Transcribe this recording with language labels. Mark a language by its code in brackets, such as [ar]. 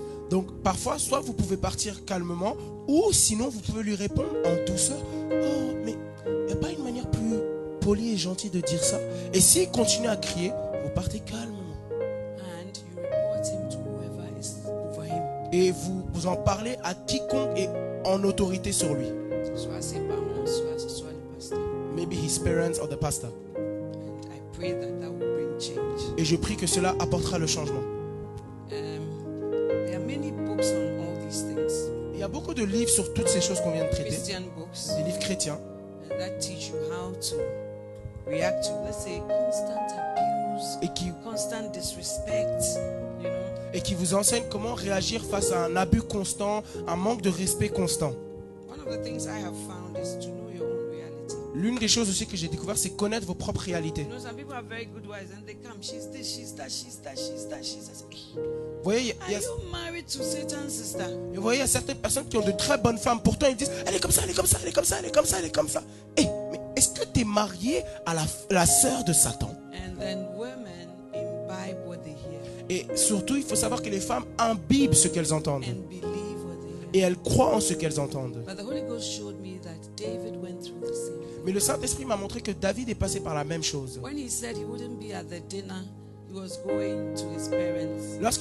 [fr] Donc parfois, soit vous pouvez partir calmement, ou sinon vous pouvez lui répondre en douceur. Oh, mais il n'y a pas une manière plus poli et gentil de dire ça. Et s'il continue à crier, vous partez calmement. [en] And you report him to whoever is over him. [fr] Et vous en parlez à quiconque est en autorité sur lui. Soit ses parents, soit le pasteur. [en] Maybe his parents or the pastor. And I pray that that will bring change. [fr] Et je prie que cela apportera le changement. [en] There are many books on all these things. [fr] Il y a beaucoup de livres sur toutes ces choses qu'on vient de traiter. [en] Christian books. [fr] Des livres chrétiens. [en] That teach you how to react to, let's say, constant abuse, constant disrespect, you know. [fr] Et qui vous enseigne comment réagir face à un abus constant, un manque de respect constant. [en] One of the things I have found is to know your own reality. [fr] L'une des choses aussi que j'ai découvert, c'est connaître vos propres réalités. [en] You know, some people are very good wives and they come, she's this, she's that, she's that, she's that, she's that. [fr] Vous voyez, il y a certaines personnes qui ont de très bonnes femmes. Pourtant, ils disent, elle est comme ça, elle est comme ça, elle est comme ça, elle est comme ça, elle est comme ça. Hey, mais est-ce que tu es marié à la sœur de Satan? [en] And then women imbibe what they hear. [fr] Et surtout, il faut savoir que les femmes imbibent ce qu'elles entendent. [en] And believe what they hear. [fr] Et elles croient en ce qu'elles entendent. [en] But the Holy Ghost showed me that David went through the same. [fr] Mais le Saint-Esprit m'a montré que David est passé par la même chose. [en] When he said he wouldn't be at the dinner. He was going to his parents.